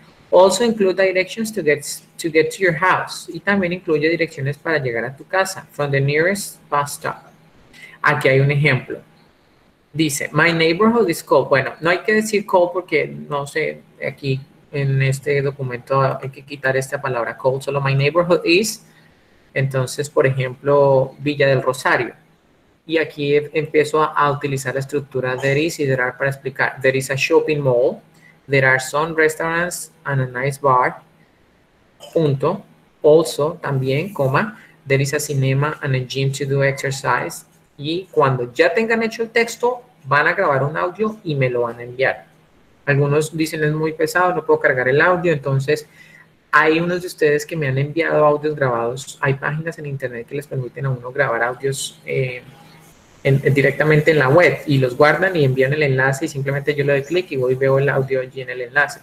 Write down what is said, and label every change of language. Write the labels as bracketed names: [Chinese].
[English] Also include directions to get to your house. [Spanish] Y también incluye direcciones para llegar a tu casa. [English] From the nearest bus stop. [Spanish] Aquí hay un ejemplo. Dice, [English] my neighborhood is cold. [Spanish] Bueno, no hay que decir cold porque, no sé, aquí en este documento hay que quitar esta palabra cold. Solo [English] my neighborhood is. [Spanish] Entonces, por ejemplo, Villa del Rosario. Y aquí empiezo a utilizar la estructura there is y there are para explicar. [English] There is a shopping mall. There are some restaurants and a nice bar. [Spanish] Punto. [English] Also, [Spanish] también, coma. [English] There is a cinema and a gym to do exercise. [Spanish] Y cuando ya tengan hecho el texto, van a grabar un audio y me lo van a enviar. Algunos dicen es muy pesado, no puedo cargar el audio. Entonces, hay unos de ustedes que me han enviado audios grabados. Hay páginas en internet que les permiten a uno grabar audios directamente en la web y los guardan y envían el enlace y simplemente yo le doy clic y voy y veo el audio allí en el enlace.